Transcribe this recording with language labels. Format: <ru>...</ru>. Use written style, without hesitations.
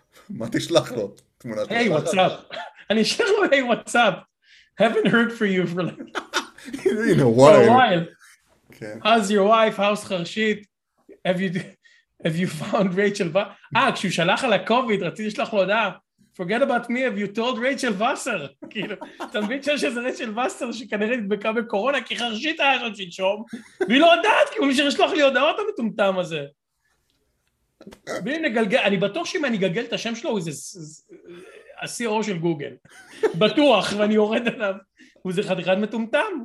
<he>מה תשלח לו? היי, וואטסאפ. אני אשלח לו, היי, וואטסאפ.</he> <en>Haven't heard for you for like... for a while. How's your wife? How's חרשית? Have you found Rachel Vosser?</en> <he>כשהוא שלח על הקוביד, רציתי לשלח לו הודעה.</he> <en>Forget about me, have you told Rachel Vosser?</en> <he>כאילו, אתה מבין שיש איזה רצ'ל וסר שכנראה נדבקה בקורונה, כי חרשית היה שם שלשום, והיא לא יודעת, כי הוא משאיר לשלוח לי הודעות המטומטם הזה. אני בטוח שאם אני אגלגל את השם שלו, הוא איזה CEO של גוגל. בטוח, ואני יורד עליו. הוא זה חתיכת מטומטם.</he>